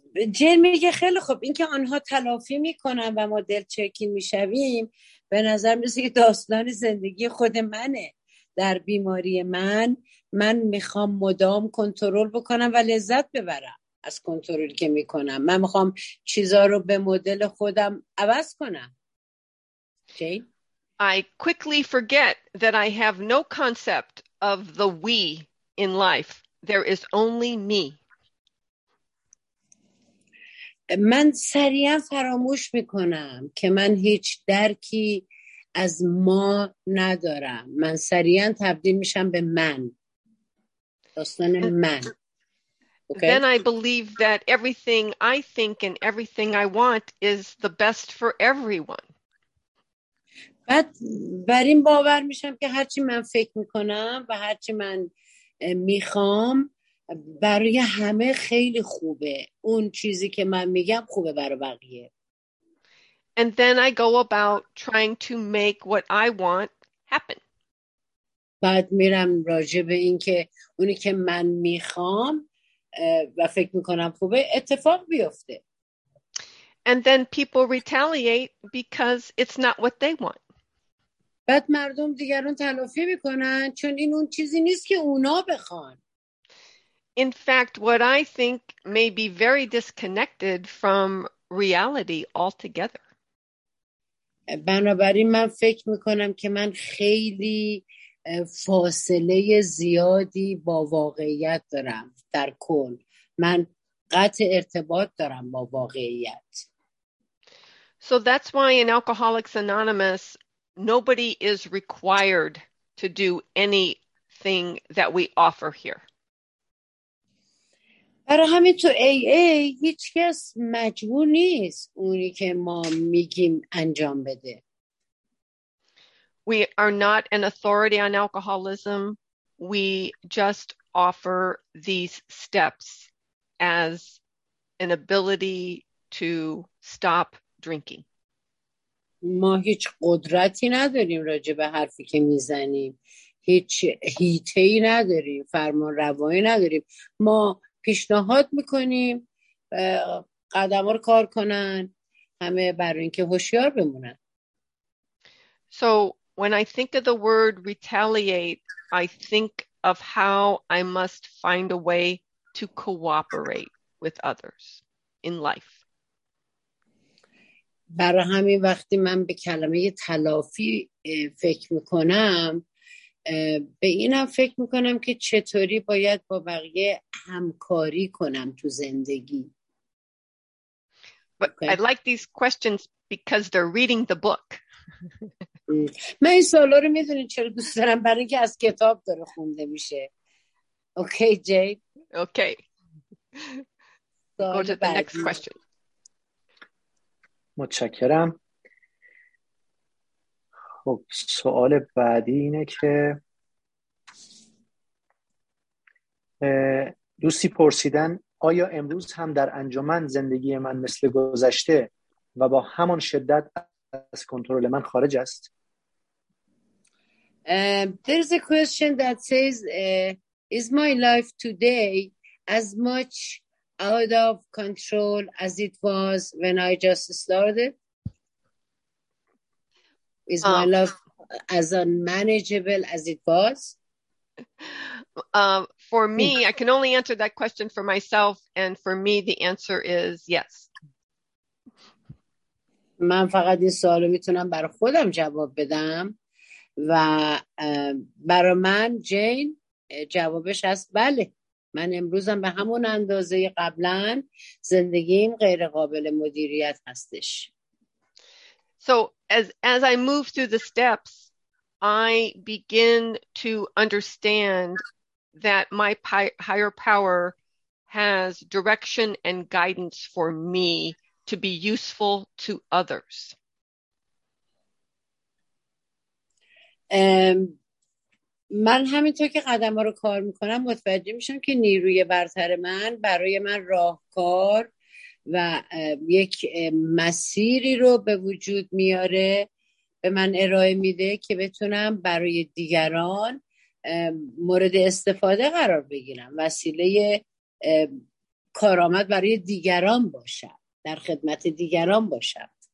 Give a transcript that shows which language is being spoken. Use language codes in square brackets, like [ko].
[fa] جن میگه خیلی خوب، اینکه آنها تلافی میکنن و ما دلچرکین میشویم به نظر میسه که داستان زندگی خود منه. در بیماری من میخوام مدام کنترل بکنم و لذت ببرم از کنترلی که میکنم. من میخوام چیزها رو به مدل خودم عوض کنم. جن؟ [en] I quickly forget that I have no concept of the we in life. There is only me. [fa] من سریعا فراموش میکنم که من هیچ درکی از ما ندارم. من سریعا تبدیل میشم به من. داستان من. [en] Okay? Then I believe that everything I think and everything I want is the best for everyone. [fa] بعد بر این باور میشم که هرچی من فکر میکنم و هرچی من میخوام برای همه خیلی خوبه. اون چیزی که من میگم خوبه برای بقیه. [en] And then I go about trying to make what I want happen. [fa] بعد میرم راجع به این که اونی که من میخوام و فکر میکنم خوبه اتفاق بیفته. [en] And then people retaliate because it's not what they want. [fa] بعد مردم دیگران تلافی میکنن چون این اون چیزی نیست که اونا بخوان. [en] In fact, what I think may be very disconnected from reality altogether. [fa] بنابراین من فکر میکنم که من خیلی فاصله زیادی با واقعیت دارم در کل. من قطع ارتباط دارم با واقعیت. [en] So that's why in Alcoholics Anonymous, nobody is required to do anything that we offer here. [fa] برای همین تو ای ای هیچ کس مجبور نیست اونی که ما میگیم انجام بده. [en] We are not an authority on alcoholism. We just offer these steps as an ability to stop drinking. [fa] ما هیچ قدرتی نداریم راجع به حرفی که میزنیم. هیچ هیته‌ای نداریم. فرمان روایی نداریم. ما پیشنهاد میکنیم قدم ها رو کار کنن همه برای این که هوشیار بمونن. [en] So when I think of the word retaliate, I think of how I must find a way to cooperate with others in life. [fa] برای همین وقتی من به کلمه تلافی فکر میکنم به اینم فکر میکنم که چطوری باید با بقیه همکاری کنم تو زندگی. [en] But okay. I like these questions because they're reading the book. [fa] من این سوالا رو میدونی چرا دوست دارم؟ برای اینکه از کتاب داره خونده میشه. [en] Okay G. Okay. Go to the next question. [fa] متشکرم. خب سوال بعدی اینه که دوستی پرسیدن آیا امروز هم در انجمن زندگی من مثل گذشته و با همان شدت از کنترل من خارج است؟ [en] There's a question that says is my life today as much out of control as it was when I just started? Is my life as unmanageable as it was? For me, I can only answer that question for myself, and for me, the answer is yes. [fa] من فقط این سوال رو میتونم برای خودم جواب بدم و برای من جین جوابش هست بله. من امروزم به همون اندازه قبلا زندگیم غیر قابل مدیریت هستش. [en] So as I move through the steps, I begin to understand that my higher power has direction and guidance for me to be useful to others. [fa] من همینطور که قدم ها رو کار میکنم متوجه میشم که نیروی برتر من برای من راهکار و یک مسیری رو به وجود میاره به من ارائه میده که بتونم برای دیگران مورد استفاده قرار بگیرم وسیله کارآمد برای دیگران باشم در خدمت دیگران باشم.